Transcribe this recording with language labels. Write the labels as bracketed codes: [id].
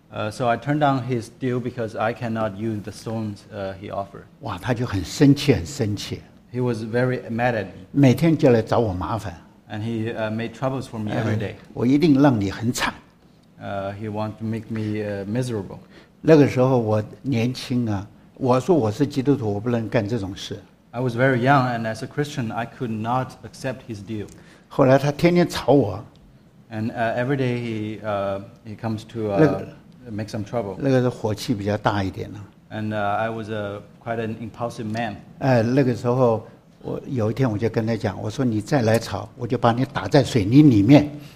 [en] So I turned down his deal because I cannot use the stones he offered. [zh] 哇，他就很生气，很生气。 [en] He was very mad at me. [zh] 每天就来找我麻烦。 [en] And he made troubles for me every day. [zh] 我一定让你很惨。 [en] He wanted to make me miserable. [zh] 那个时候我年轻啊，我说我是基督徒，我不能干这种事。 [en] I was very young, and as a Christian, I could not accept his deal. [zh] 后来他天天吵我。 [en] And every day he comes to make some trouble. [zh] 那个是火气比较大一点了。 [en] And I was quite an impulsive man. [zh] 那个时候我有一天我就跟他讲，我说你再来吵，我就把你打在水泥里面。